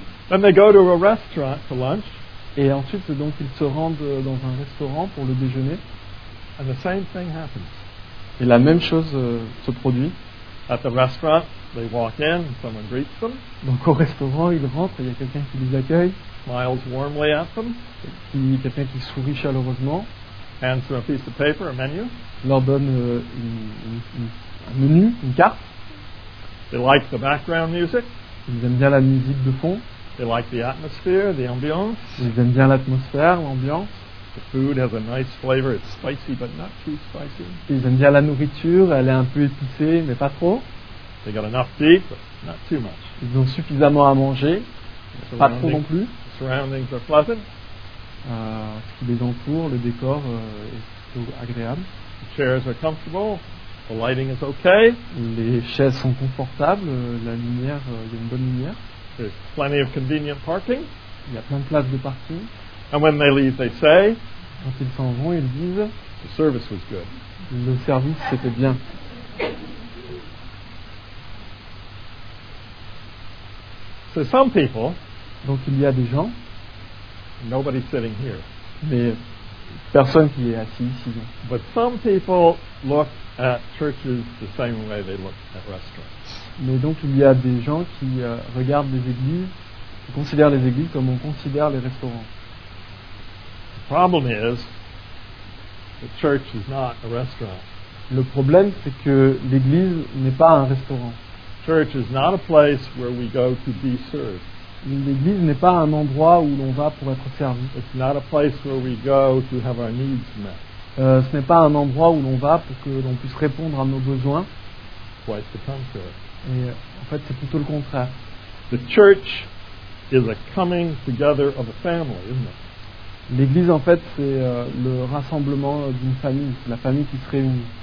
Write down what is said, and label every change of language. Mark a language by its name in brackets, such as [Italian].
[English] Then they go to a restaurant for lunch. [French] Et ensuite, donc, ils se rendent dans un restaurant pour le déjeuner. [English] And the same thing happens. [French] Et la même chose se produit. [English] At the restaurant, they walk in, someone greets them. [French] Donc au restaurant, ils rentrent, il y a quelqu'un qui les accueille. [English] Smiles warmly at them. [French] Quelqu'un qui sourit chaleureusement. [English] Hands them a piece of paper, a menu. [French] Leur donne un menu, une carte. [English] They like the background music. [French] Ils aiment bien la musique de fond. [English] They like the atmosphere, the ambiance. [French] Ils aiment bien l'atmosphère, l'ambiance. [English] The food has a nice flavor. It's spicy, but not too spicy. [French] Ils aiment bien la nourriture. Elle est un peu épicée, mais pas trop. [English] They got enough to eat, but not too much. [French] Ils ont suffisamment à manger, pas trop non plus. [English] The surroundings are pleasant. [French] Ce qui les entoure, le décor est plutôt agréable. [English] The chairs are comfortable. The lighting is okay. [French] Les chaises sont confortables. La lumière, il y a une bonne lumière. [English] There's plenty of convenient parking. [French] Il y a plein de places de parking. [English] And when they leave, they say, [French] quand ils s'en vont, ils disent, [English] the service was good. [French] Le service, c'était bien. [English] So some people, [French] donc il y a des gens, [English] nobody sitting here, [French] mais personne qui est assis ici. [English] But some people look at churches the same way they look at restaurants. [French] Mais donc il y a des gens qui regardent les églises, qui considèrent les églises comme on considère les restaurants. [English] The problem is, the church is not a restaurant. [French] Le problème, c'est que l'église n'est pas un restaurant. [English] Church is not a place where we go to be served. [French] L'église n'est pas un endroit où l'on va pour être servi. [English] It's not a place where we go to have our needs met. [French] Ce n'est pas un endroit où l'on va pour que l'on puisse répondre à nos besoins. [English] Quite the contrary. [French] Et en fait, c'est plutôt le contraire. [English] The church is a coming together of a family, isn't it? [French] L'église, en fait, c'est le rassemblement d'une famille, c'est la famille qui se réunit.